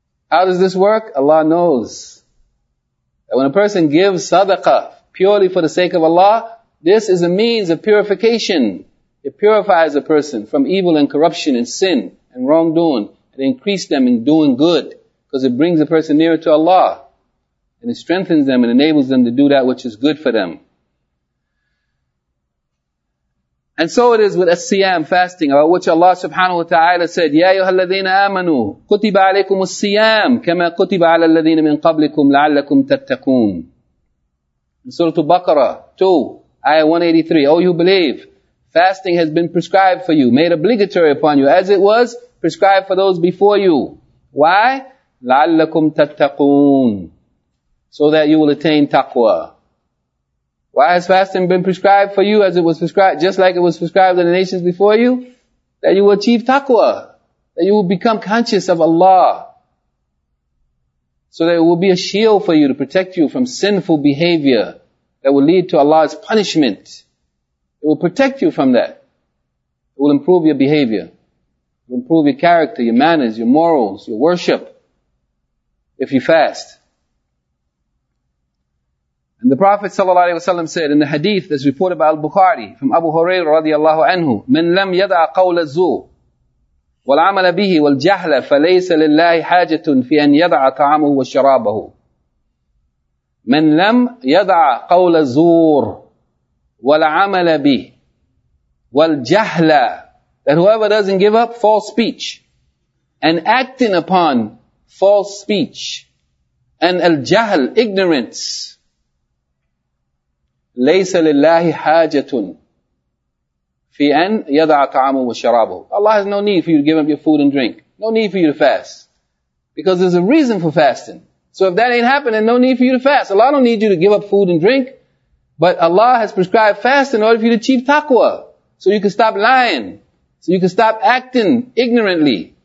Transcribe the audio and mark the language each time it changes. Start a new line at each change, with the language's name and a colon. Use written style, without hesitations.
English: How does this work? Allah knows that when a person gives sadaqah purely for the sake of Allah, this is a means of purification. It purifies a person from evil and corruption and sin and wrongdoing. It increases them in doing good because it brings a person nearer to Allah and it strengthens them and enables them to do that which is good for them. And so it is with as-siyam, fasting, about which Allah subhanahu wa ta'ala said,
Arabic: يَا أَيُّهَا الَّذِينَ آمَنُوا كُتِبَ عَلَيْكُمُ السِّيَامُ كَمَا كُتِبَ عَلَى الَّذِينَ مِنْ قَبْلِكُمْ لَعَلَّكُمْ تَتَّقُونَ.
English: Surah Al-Baqarah 2, ayah 183. Oh, you believe, fasting has been prescribed for you, made obligatory upon you, as it was prescribed for those before you. Why?
Arabic: لَعَلَّكُمْ تَتَّقُونَ.
English: So that you will attain taqwa. Why has fasting been prescribed for you as it was prescribed, just like it was prescribed in the nations before you? That you will achieve taqwa. That you will become conscious of Allah. So that it will be a shield for you to protect you from sinful behavior that will lead to Allah's punishment. It will protect you from that. It will improve your behavior. It will improve your character, your manners, your morals, your worship. If you fast. And the Prophet ﷺ said in the hadith that's reported by Al-Bukhari from Abu Hurairah radiallahu anhu,
Arabic: مَنْ لَمْ يَدْعَ قَوْلَ الزُّورِ وَالْعَمَلَ بِهِ وَالْجَهْلَ فَلَيْسَ لِلَّهِ حَاجَةٌ فِي أَنْ يَدْعَ طَعَامُهُ وَشَرَابَهُ. مَنْ لَمْ يَدْعَ قَوْلَ الزُّورِ وَالْعَمَلَ بِهِ وَالْجَهْلَ.
English: That whoever doesn't give up false speech and acting upon false speech and al-jahl, ignorance,
Arabic: ليس لله حاجة في أن يضع طعامه وشرابه.
English: Allah has no need for you to give up your food and drink. No need for you to fast. Because there's a reason for fasting. So if that ain't happening, no need for you to fast. Allah don't need you to give up food and drink. But Allah has prescribed fasting in order for you to achieve taqwa. So you can stop lying. So you can stop acting ignorantly.